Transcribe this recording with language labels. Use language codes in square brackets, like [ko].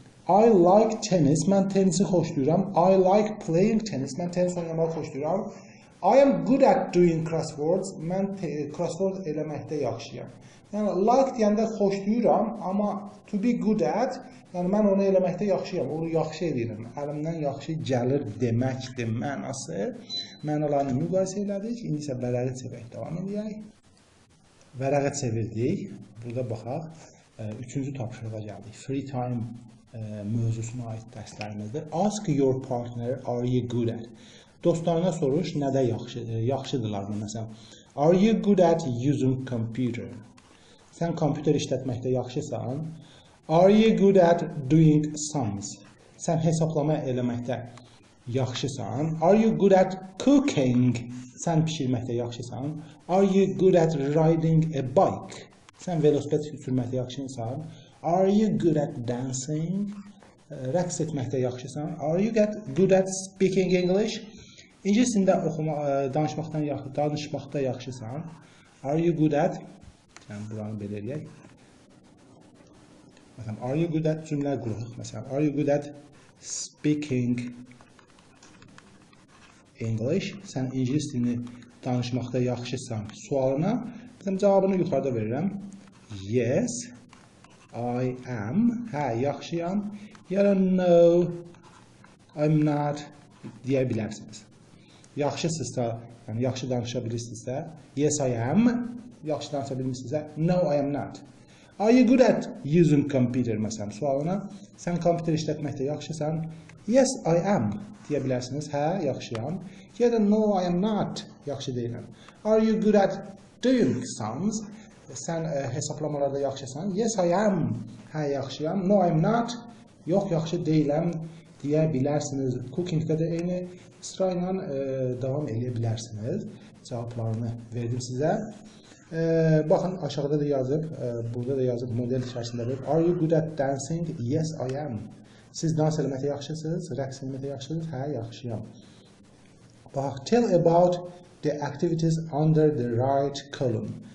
[en] I like tennis. [az] Mən tenisi xoşlayıram. [en] I like playing tennis. [az] Mən tenis oynamağı xoşlayıram. [en] I am good at doing crosswords. [az] Mən crossword eləməkdə yaxşıyam. [en] Yəni, like [az] deyəndə xoşlayıram, amma [en] to be good at, [az] yəni mən onu eləməkdə yaxşıyam, onu yaxşı edirəm. Əlimdən yaxşı gəlir deməkdir mənası. Mənalarını müqayisə elədik. İndi isə vərəqi çevirək, davam edək. Vərəqi çevirdik. Burada baxaq, üçüncü tapşırıqa gəldik. Free time mövzusuna aid dərslərimizdir. [en] Ask your partner, are you good at? [az] Dostlarına soruş, nədə yaxşıdırlar? Məsələn, [en] are you good at using computer? [az] Sən kompüter işlətməkdə yaxşısan. [en] Are you good at doing sums? [az] Sən hesablama eləməkdə yaxşısan. [en] Are you good at cooking? [az] Sən pişirməkdə yaxşısan. [en] Are you good at riding a bike? [az] Sən velosiped sürməkdə yaxşısan. [en] Are you good at dancing? [az] Rəqs etməkdə yaxşısan. [en] Are you good at speaking English? [az] İngilis dilində danışmaqda yaxşısan. [en] Are you good at... [az] Yəni, buranı belə eləyək. Məsələn, [en] are you good at [az] cümlə quruq? Məsələn, [en] are you good at speaking English? [az] Sən ingilis dilini danışmaqda yaxşısan sualına. Məsələn, cavabını yuxarıda verirəm. [en] Yes, I am. [az] Hə, yaxşıyam. Yəni, [en] no, I'm not. [az] Deyə bilərsiniz. Yaxşısınızsa, yəni, yaxşı danışa bilirsinizsə, [en] yes, I am. [az] Yaxşı danışa bilmişsinizsə, [en] no, I am not. Are you good at using computer, [az] məsələn, sualına? Sən kompüter işlətməkdə yaxşısan? [en] Yes, I am, [az] deyə bilərsiniz. Hə, yaxşıyam. [en] Yəni, no, I am not, [az] yaxşı deyiləm. [en] Are you good at doing sums? [az] Sən hesablamalarda yaxşısan? [en] Yes, I am, [az] hə, yaxşıyam. [en] No, I am not, [az] yox, yaxşı deyiləm, deyə bilərsiniz. Cooking-də də eyni sırayla davam edə bilərsiniz. Cavablarını verdim sizə. Baxın, aşağıda da yazıb, burada da yazıb, model içərisində verib. [en] Are you good at dancing? Yes, I am. [az] Siz dans eləməkdə yaxşısınız, rəqs eləməkdə yaxşısınız? Hə, yaxşıyam. Baxaq, [en] tell about the activities under the right column.